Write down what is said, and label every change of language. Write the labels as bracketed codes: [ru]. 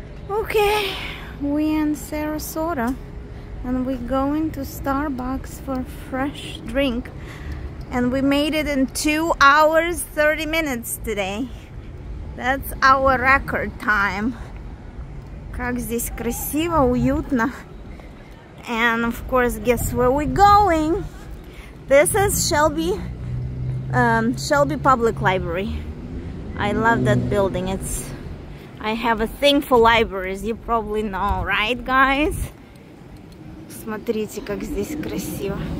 [en] Okay, we in Sarasota and we going to Starbucks for fresh drink, and we made it in 2 hours 30 minutes today. That's our record time. [ru] Как здесь красиво, уютно. [en] And of course, guess where we going? This is Shelby Public Library. I love that building. I have a thing for libraries, you probably know, right, guys? [ru] Смотрите, как здесь красиво.